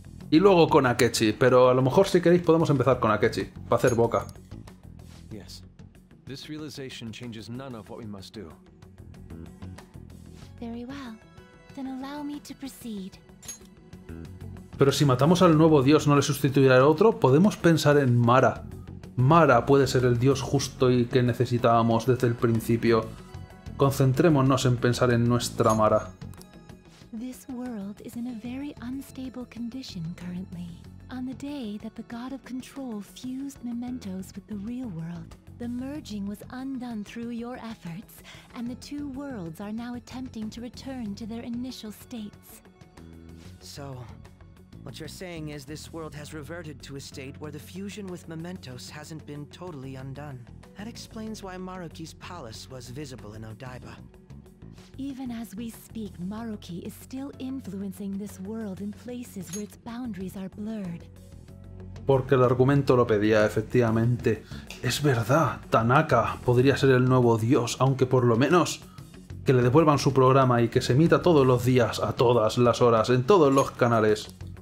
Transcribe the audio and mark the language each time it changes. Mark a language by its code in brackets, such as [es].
[es] Y luego con Akechi, pero a lo mejor si queréis podemos empezar con Akechi, para hacer boca. [en] Yes. This realization changes none of what we must do. Very well. Then allow me to proceed. [es] Pero si matamos al nuevo dios, ¿no le sustituirá el otro? Podemos pensar en Mara. Mara puede ser el dios justo y que necesitábamos desde el principio. Concentrémonos en pensar en nuestra Mara. [en] This world is in a very unstable condition currently. On the day that the God of Control fused mementos with the real world, the merging was undone through your efforts, and the two worlds are now attempting to return to their initial states. So, what you're saying is this world has reverted to a state where the fusion with mementos hasn't been totally undone. That explains why Maruki's palace was visible in Odaiba. Even as we speak, Maruki is still influencing this world in places where its boundaries are blurred. [es] Porque el argumento lo pedía, efectivamente. Es verdad, Tanaka podría ser el nuevo dios, aunque por lo menos que le devuelvan su programa y que se emita todos los días, a todas las horas, en todos los canales.